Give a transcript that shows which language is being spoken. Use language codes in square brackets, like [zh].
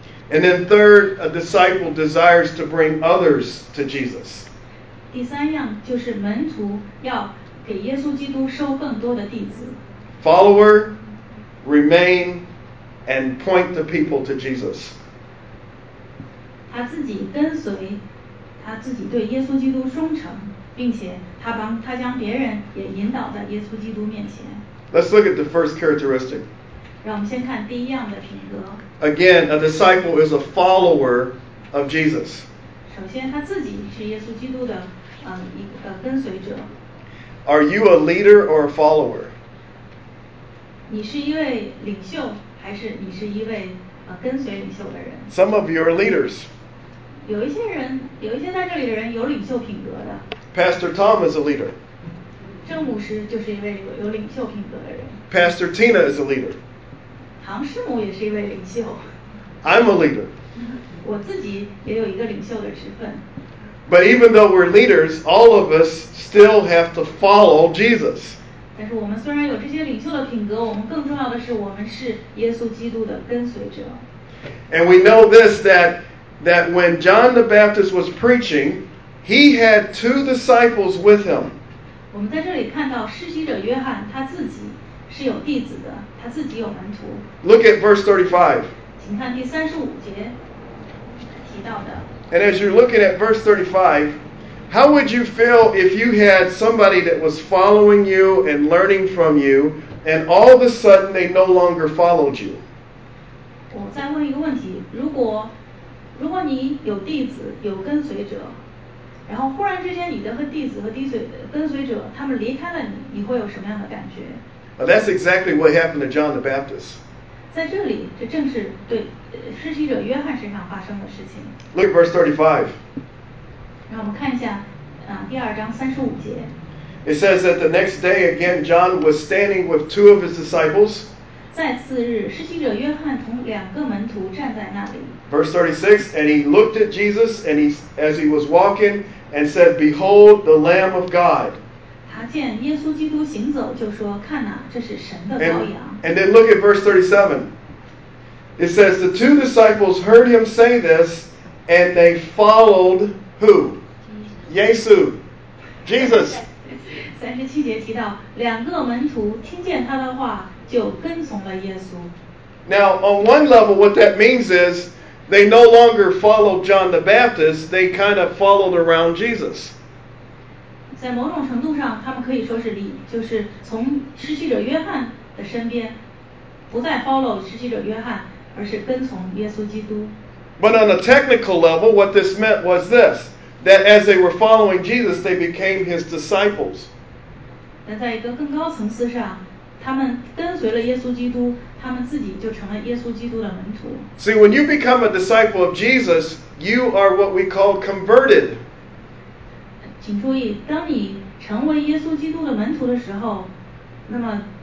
[en] And then third, a disciple desires to bring others to Jesus. [zh] 第三样就是门徒要给耶稣基督收更多的弟子。 [en] Follower. Remain and point the people to Jesus. [zh] 他自己跟随，他自己对耶稣基督忠诚，并且他将别人也引导在耶稣基督面前。 [en] Let's look at the first characteristic. [zh] 让我们先看第一样的品格。 [en] Again, a disciple is a follower of Jesus. [zh] 首先，他自己是耶稣基督的一个跟随者。 [en] Are you a leader or a follower? [zh] 你是一位领袖，还是你是一位跟随领袖的人？ [en] Some of you are leaders. [zh] 有一些在这里的人有领袖品格的。 [en] Pastor Tom is a leader. [zh] 郑牧师就是一位有领袖品格的人。 [en] Pastor Tina is a leader. [zh] 唐师母也是一位领袖。 [en] I'm a leader. [zh] 我自己也有一个领袖的职分。 [en] But even though we're leaders, all of us still have to follow Jesus. [zh] 但是我们虽然有这些领袖的品格，我们更重要的是我们是耶稣基督的跟随者。 [en] And we know this that when John the Baptist was preaching, he had two disciples with him. [zh] 我们在这里看到施洗者约翰他自己是有弟子的，他自己有门徒。 [en] Look at verse 35. [zh] 请看第三十五节提到的。 [en] And as you're looking at verse 35. How would you feel if you had somebody that was following you and learning from you, And all of a sudden, they no longer followed you. [zh] 我再问一个问题，如果你有弟子，有跟随者，然后忽然之间你的和弟子和弟子跟随者他们离开了你，你会有什么样的感觉？ [en] Now, that's exactly what happened to John the Baptist. [zh] 在这里，这正是对施洗者约翰身上发生的事情。 [en] Look at verse 35. [zh] 让我们看一下，第二章三十五节。 [en] It says that the next day again John was standing with two of his disciples. [zh] 再次日，施洗者约翰同两个门徒站在那里。 [en] Verse 36, and he looked at Jesus and he, as he was walking and said, Behold, the Lamb of God. [zh] 他见耶稣基督行走就说，看哪，这是神的羔羊。 [en] And then look at verse 37. It says, the two disciples heard him say this and they followed who? Yesu. Jesus. [zh] 37节提到，两个门徒听见他的话就跟从了耶稣。 [en] Now, on one level, what that means is,They no longer followed John the Baptist, they kind of followed around Jesus. [zh] 在某种程度上，他们可以说是离，就是从施洗者约翰的身边，不再 follow 施洗者约翰，而是跟从耶稣基督。 [en] But on a technical level, what this meant was this, that as they were following Jesus, they became his disciples. [zh] 但在一个更高层次上，他们跟随了耶稣基督，他们自己就成了耶稣基督的门徒。 [en] See, when you become a disciple of Jesus, you are what we call converted. [zh] 请注意，当你成为耶稣基督的门徒的时候，那么